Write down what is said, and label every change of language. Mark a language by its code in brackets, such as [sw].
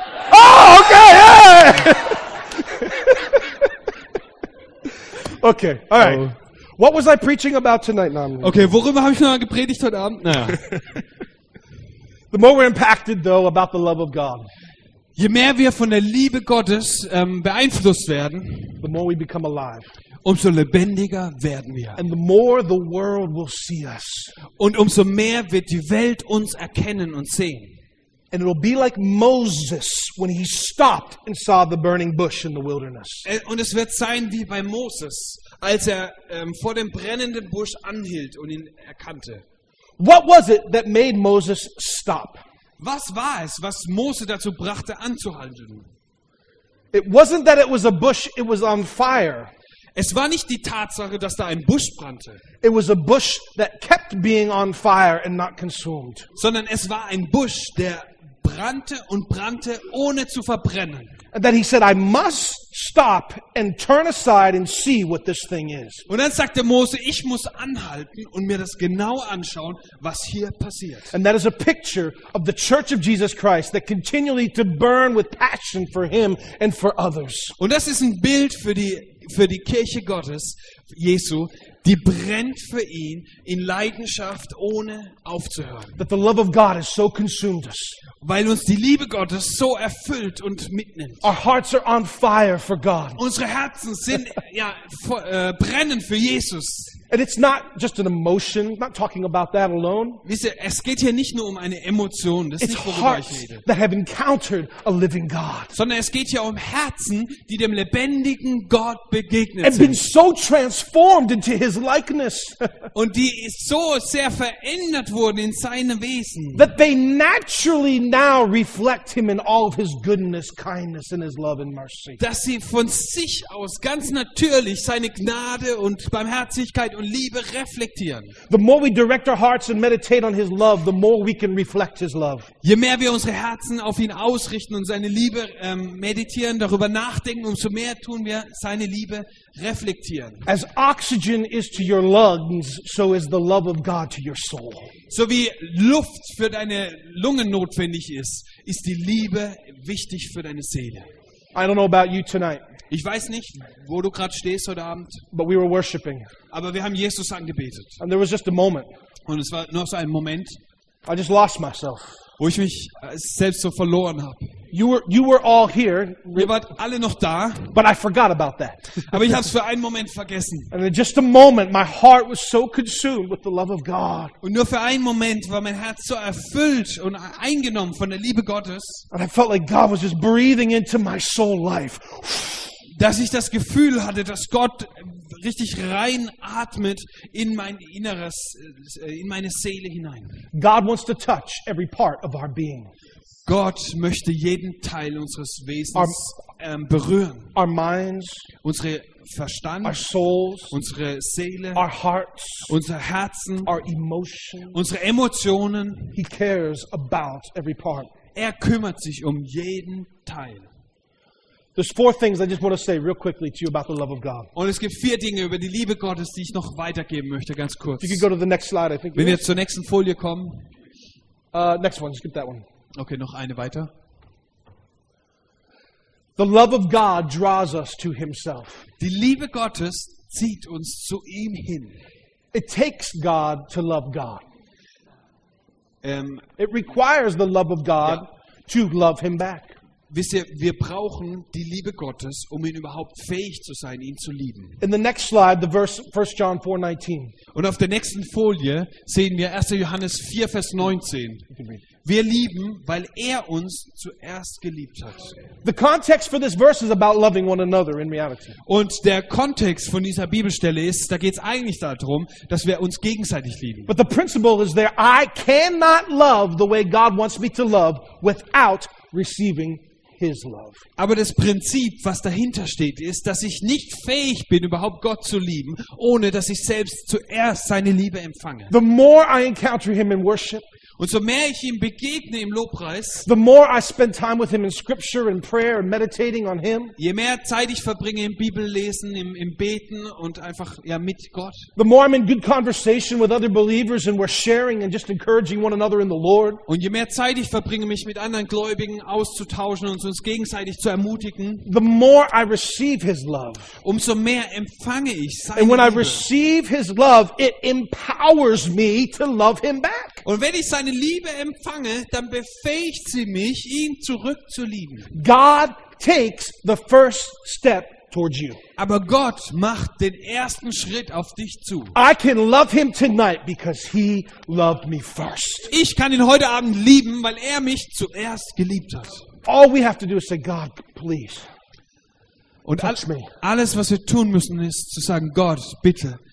[en] Oh, okay, hey! Okay, all right. What was I preaching about tonight, Nam? [de] Okay, worüber habe ich noch gepredigt heute Abend? Naja. [en] The more we're impacted, though, about the love of God. [de] Je mehr wir von der Liebe Gottes beeinflusst werden, [en] the more we become alive. [de] Umso lebendiger werden wir. [en] And the more the world will see us. [de] Und umso mehr wird die Welt uns erkennen und sehen. [en] And it will be like Moses when he stopped and saw the burning bush in the wilderness. [de] Und es wird sein wie bei Moses, als er vor dem brennenden Busch anhielt und ihn erkannte. [en] What was it that made Moses stop? [de] Was war es, was Mose dazu brachte anzuhalten? [en] It wasn't that it was a bush, it was on fire. [de] Es war nicht die Tatsache, dass da ein Busch brannte. [en] It was a bush that kept being on fire and not consumed. [de] Sondern es war ein Busch, der brannte und brannte ohne zu verbrennen. [en] And then he said, I must stop and turn aside and see what this thing is. [de] Und dann sagte Mose, ich muss anhalten und mir das genau anschauen, was hier passiert. [en] And that is a picture of the Church of Jesus Christ that continually to burn with passion for him and for others. [de] Und das ist ein Bild für die Kirche Gottes, Jesu, die brennt für ihn in Leidenschaft, ohne aufzuhören. [en] That the love of God has so consumed us. [de] Weil uns die Liebe Gottes so erfüllt und mitnimmt. [en] Our hearts are on fire for God. [de] Unsere Herzen sind brennen für Jesus. [en] And it's not just an emotion. I'm not talking about that alone. [de] Wisst ihr, es geht hier nicht nur um eine Emotion. Das ist [en] it's [de] nicht, worüber [en] hearts [de] ich rede. [en] That have encountered a living God. [de] Sondern es geht hier um Herzen, die dem lebendigen Gott begegnet [en] and [de] sind. [en] And been so transformed into His likeness. [de] Und die so sehr verändert wurden in seinem Wesen. [en] That they naturally now reflect Him in all of His goodness, kindness, and His love and mercy. [de] Dass sie von sich aus ganz natürlich seine Gnade und Barmherzigkeit und Liebe reflektieren. [en] The more we direct our hearts and meditate on his love, the more we can reflect his love. [de] Je mehr wir unsere Herzen auf ihn ausrichten und seine Liebe meditieren, darüber nachdenken, umso mehr tun wir seine Liebe reflektieren. [en] As oxygen is to your lungs, so is the love of God to your soul. [de] So wie Luft für deine Lungen notwendig ist, ist die Liebe wichtig für deine Seele. [en] I don't know about you tonight. [de] Ich weiß nicht, wo du gerade stehst heute Abend. [en] But we were worshiping. [de] Aber wir haben Jesus angebetet. [en] And there was just a moment. [de] Und es war nur so ein Moment. [en] I just lost myself. [de] Wo ich mich selbst so verloren habe. [en] You were all here. [de] Ihr wart alle noch da. [en] But I forgot about that. [de] Aber ich habe es für einen Moment vergessen. [en] And in just a moment, my heart was so consumed with the love of God. [de] Und nur für einen Moment war mein Herz so erfüllt und eingenommen von der Liebe Gottes. [en] And I felt like God was just breathing into my soul life. [de] Dass ich das Gefühl hatte, dass Gott richtig rein atmet in mein Inneres, in meine Seele hinein. [en] God wants to touch every part of our being. [de] Gott möchte jeden Teil unseres Wesens berühren. [en] Our minds, [de] unsere Verstand, [en] our souls, [de] unsere Seele, [en] our hearts, [de] unser Herzen, [en] our emotions, [de] unsere Emotionen. [en] He cares about every part. [de] Er kümmert sich um jeden Teil. [en] There's four things I just want to say real quickly to you about the love of God. [de] Und es gibt vier Dinge über die Liebe Gottes, die ich noch weitergeben möchte, ganz kurz. [en] If you could go to the next slide, I think. [de] Wenn wir zur nächsten Folie kommen. [en] Next one, skip that one. [de] Okay, noch eine weiter. [en] The love of God draws us to Himself. [de] Die Liebe Gottes zieht uns zu ihm hin. [en] It takes God to love God. It requires the love of God, ja, to love Him back. [de] Wisst ihr, wir brauchen die Liebe Gottes, um ihn überhaupt fähig zu sein, ihn zu lieben. [en] In the next slide, the verse 1 John 4:19. [de] Und auf der nächsten Folie sehen wir 1. Johannes 4, Vers 19. Wir lieben, weil er uns zuerst geliebt hat. [en] The context for this verse is about loving one another in reality. [de] Und der Kontext von dieser Bibelstelle ist, da geht es eigentlich darum, dass wir uns gegenseitig lieben. [en] But the principle is there, I cannot love the way God wants me to love without receiving His love. [de] Aber das Prinzip, was dahinter steht, ist, dass ich nicht fähig bin, überhaupt Gott zu lieben, ohne dass ich selbst zuerst seine Liebe empfange. [en] The more I encounter him in worship, [de] und so mehr ich ihm begegne im Lobpreis, [en] the more I spend time with him in scripture and prayer and meditating on him, [de] je mehr Zeit ich verbringe im Bibellesen, im Beten und einfach, ja, mit Gott, [en] the more I'm in good conversation with other believers and we're sharing and just encouraging one another in the Lord, [de] und je mehr Zeit ich verbringe, mich mit anderen Gläubigen auszutauschen und uns gegenseitig zu ermutigen, [en] the more I receive his love, [de] umso mehr empfange ich seine Liebe. [en] And when [de] Liebe. [en] I receive his love, it empowers me to love him back. [de] Und wenn ich seine Liebe empfange, dann befähigt sie mich, ihn zurückzulieben. [en] God takes the first step towards you. [de] Aber Gott macht den ersten Schritt auf dich zu. [en] I can love him tonight because he loved me first. [de] Ich kann ihn heute Abend lieben, weil er mich zuerst geliebt hat. [en] All we have to do is say, God, please. [de] Und alles, was wir tun müssen, ist zu sagen, Gott, bitte.